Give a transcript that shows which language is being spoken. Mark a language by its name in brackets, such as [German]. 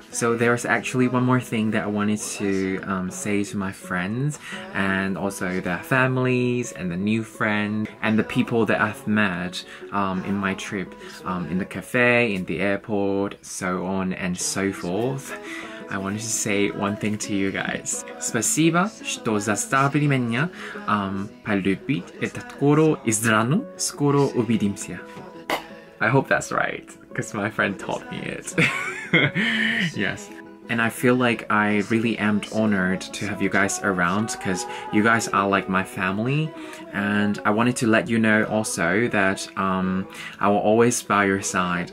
[English] So there's actually one more thing that I wanted to say to my friends and also their families and the new friends and the people that I've met in my trip in the cafe, in the airport, so on and so forth. I wanted to say one thing to you guys. [Russian] Спасибо, что заставили меня полюбить этот город и страну. Скоро увидимся. [English] I hope that's right, because my friend taught me it. Yes. And I feel like I really am honored to have you guys around because you guys are like my family. And I wanted to let you know also that I will always by your side.